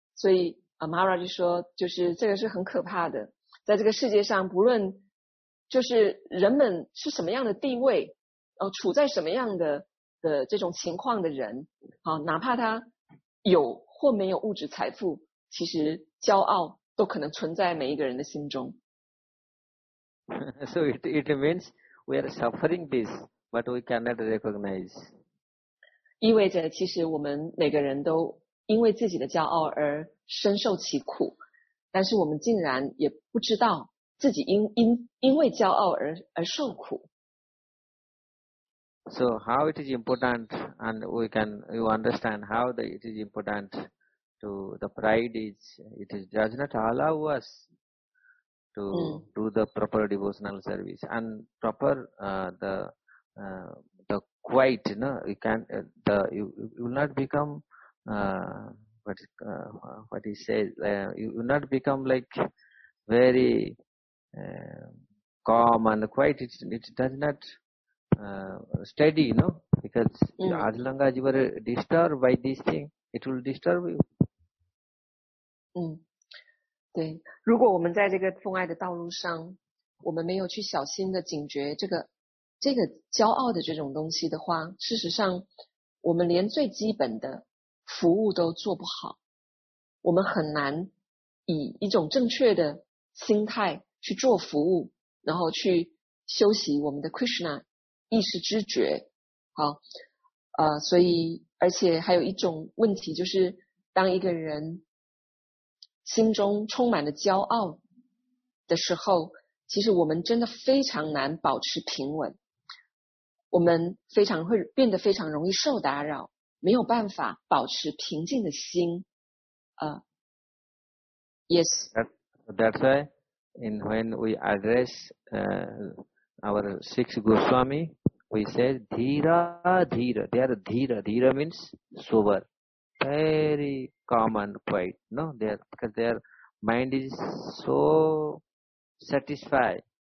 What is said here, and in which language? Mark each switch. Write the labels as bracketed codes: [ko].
[zh] 所以Maharaj 就说，就是这个是很可怕的，在这个世界上，不论就是人们是什么样的地位，处在什么样的这种情况的人，哪怕他有或没有物质财富，其实骄傲都可能存在每一个人的心中。 [en] So it means we are suffering this, but we cannot recognize. [zh] 意味着其实我们每个人都因为自己的骄傲而深受其苦，但是我们竟然也不知道自己因为骄傲而受苦。 [en] So how it is important, and you understand how it is important to the pride is it is does not allow us to do the proper devotional service and proper the quiet, you know, you can the you will not become what he says you will not become like very calm and quiet. It does not steady, you know, because as long as you are disturbed by this thing, it will disturb you. [zh] 对，如果我们在这个奉爱的道路上，我们没有去小心的警觉这个骄傲的这种东西的话，事实上我们连最基本的服务都做不好，我们很难以一种正确的心态去做服务，然后去修习我们的 Krishna 意识知觉。好，所以而且还有一种问题，就是当一个人心中充满了骄傲的时候，其实我们真的非常难保持平稳，我们非常会变得非常容易受打扰，没有办法保持平静的心。 [en] Yes. That's why when we address our six Goswami, we say dhira dhira. They are dhira. Dhira means sober. Very calm and quiet. No, because their mind is so satisfied.